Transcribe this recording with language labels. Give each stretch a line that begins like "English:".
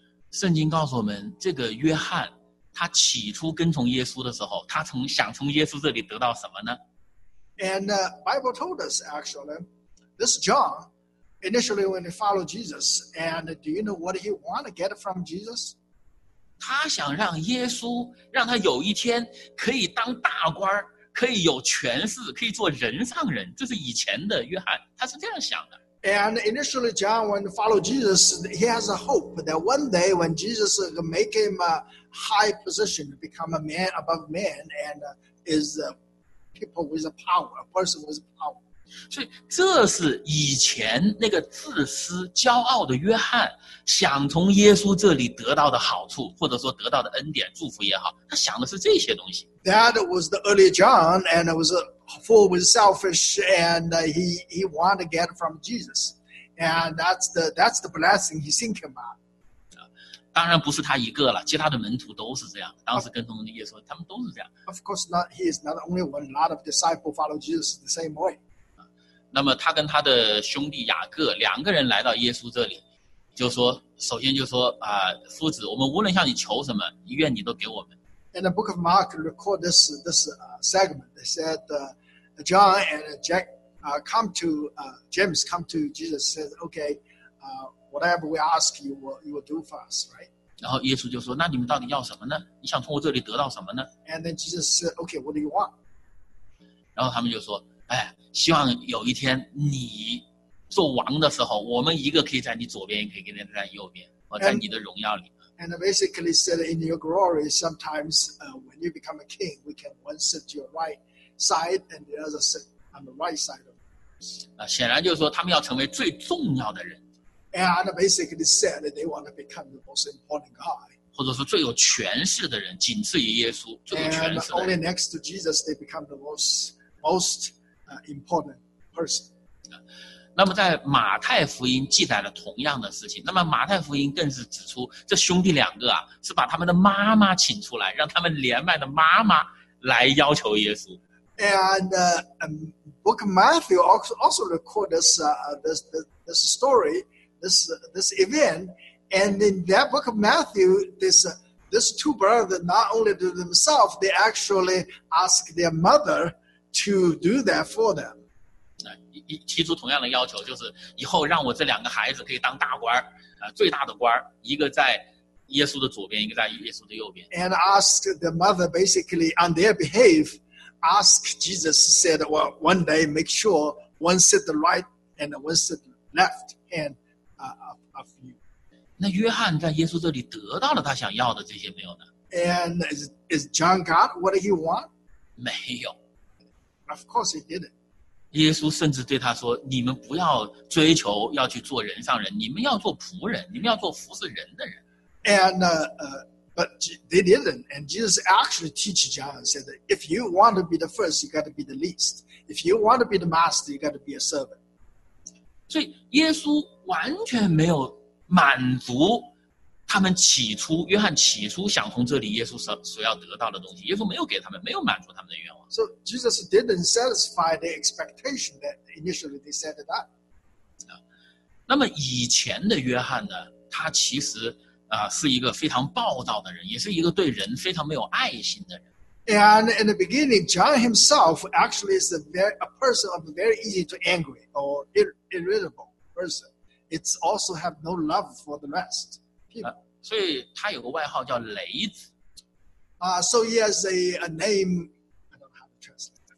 Chinese: 圣经告诉我们，这个约翰他起初跟从耶稣的时候，他想从耶稣这里得到什么呢？
English: And the Bible told us actually, this John, initially when he followed Jesus, and do you know what he wanted to get from Jesus?
Chinese: 他想让耶稣，让他有一天可以当大官，可以有权势，可以做人上人，这是以前的约翰，他是这样想的。
English: And initially, John, when he followed Jesus, he has a hope that one day when Jesus make him a high position, become a man above man, and is a people with a power, a person with power.
Chinese: 所以这是以前那个自私骄傲的约翰想从耶稣这里得到的好处，或者说得到的恩典祝福也好，他想的是这些东西。
English: That was the early John, and it was afull with selfish, and he wanted to get from Jesus. And that's the blessing he's thinking about.
Chinese: 当然不是他一个了，其他的门徒都是这样，当时跟从耶稣，他们都是这样。
English: Of course not, he is not only one, a lot of disciples follow Jesus the same way.
Chinese: 那么他跟他的兄弟雅各两个人来到耶稣这里，就说，首先就说，夫子，我们无论向你求什么，愿你都给我们。
English: In the book of Mark, record this segment. They said, John and Jack come to Jesus, said, okay, whatever we ask you, you will do for us, right?
Chinese: 然后耶稣就说，那你们到底要什么呢？你想从我这里得到什么呢？
English: And then Jesus said, okay, what do you want?
Chinese: 然后他们就说，哎，希望有一天你做王的时候，我们一个可以在你左边，可以跟在右边，我在你的荣耀里。
English: And basically said, in your glory, sometimes when you become a king, we can one sit to your right side and the other sit on the right side of it.
Chinese: 显然就是说他们要成为最重要的人。
English: And basically said they want to become the most important guy.
Chinese: 或者说最有权势的人，仅次于耶稣，最有权势的人。
English: And only next to Jesus, they become the most important person.
Chinese: 那么在马太福音记载了同样的事情，那么马太福音更是指出这兄弟两个啊，是把他们的妈妈请出来，让他们连麦的妈妈来要求耶稣。
English: And book of Matthew also record this story, this event, and in that book of Matthew, this two brothers not only do themselves, they actually ask their mother to do that for them.
Chinese: 提出同样的要求，就是以后让我这两个孩子可以当大官，最大的官，一个在耶稣的左边，一个在耶稣的右边。
English: And ask the mother basically on their behalf, ask Jesus, said, well, one day make sure one sit the right and one sit the left hand of you.
Chinese: 那约翰在耶稣这里得到了他想要的这些没有呢？
English: And is John got what he want?
Chinese: 没有。
English: Of course he didn't.
Chinese: 耶稣甚至对他说，你们不要追求要去做人上人，你们要做仆人，你们要做服侍人的人。
English: And but they didn't. And Jesus actually teach John, said that if you want to be the first, you got to be the least. If you want to be the master, you got to be a servant.
Chinese: 所以耶稣完全没有满足他们起初，约翰起初想从这里耶稣所要得到的东西，耶稣没有给他们，没有满足他们的愿望。
English: So Jesus didn't satisfy the expectation that initially they set it up.
Chinese: 那么以前的约翰呢，他其实是一个非常暴躁的人，也是一个对人非常没有爱心的人。
English: And in the beginning, John himself actually is a person of a very easy to angry or irritable person. It's also have no love for the rest people.
Chinese: 所以他有个外号叫雷子。
English: So he has a name, I don't have a translation.